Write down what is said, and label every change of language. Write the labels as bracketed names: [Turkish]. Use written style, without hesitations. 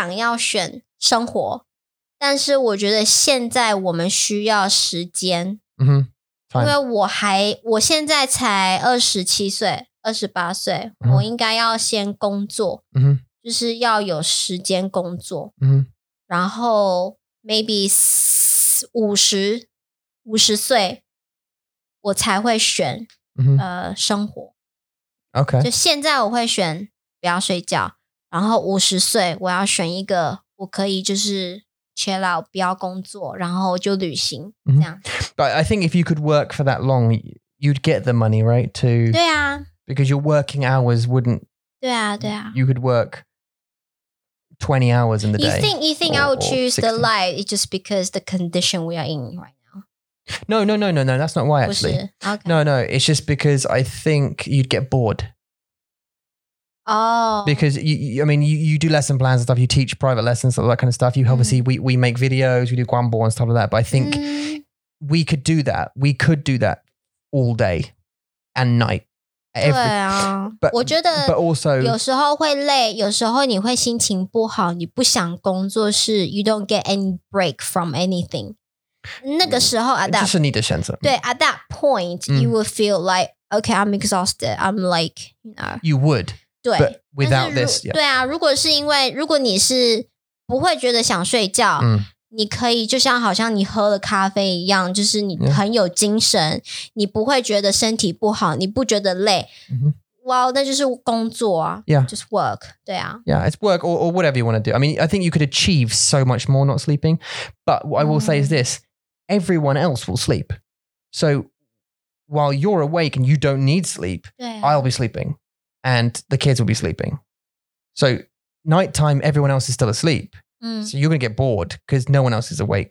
[Chinese] 我当然会想要选生活, 但是我觉得现在我们需要时间, 因为我现在才27岁, 28岁, 我应该要先工作, 就是要有时间工作, 然后 [English] maybe [Chinese] 50, 50岁我才会选生活。 [English] Okay. [Chinese] 就现在我会选不要睡觉。 然后50岁我要选一个我可以就是 [English] chill out, [Chinese] 不要工作，然后就旅行，这样。 [English] But I think if you could work for that long, you'd get the money, right? To [Chinese] 对啊。 [English] Because your working hours wouldn't... [Chinese] 对啊，对啊。 [English] You could work 20 hours in the day. You think I would choose the life just because the condition we are in right now? No, that's not why, actually. Okay. No, it's just because I think you'd get bored. Oh. Because, you do lesson plans and stuff, you teach private lessons, all that kind of stuff. You help us see, we make videos, we do guanbo and stuff like that. But I think we could do that. We could do that all day and night. But also, [Chinese] 有时候会累，有时候你会心情不好，你不想工作是 [English] you don't get any break from anything. [Chinese] 那个时候这是你的选择。对 [English] ,at that point, you would feel like, okay, I'm exhausted. I'm like, You would. [Chinese] 对 [English] But without this,、yeah. [Chinese] 对啊，如果是因为如果你是不会觉得想睡觉、你可以就像好像你喝了咖啡一样就是你很有精神、 [English] yeah. [Chinese] 你不会觉得身体不好你不觉得累、 mm-hmm. [English] Well, [Chinese] 那就是工作啊 [English] Yeah. Just work, [Chinese] 对啊 [English] Yeah, it's work or whatever you want to do. I mean, I think you could achieve so much more not sleeping. But what I will、mm-hmm. say is this, everyone else will sleep. So while you're awake and you don't need sleep,、啊、 I'll be sleeping. And the kids will be sleeping. So nighttime, everyone else is still asleep.、So you're going to get bored because no one else is awake.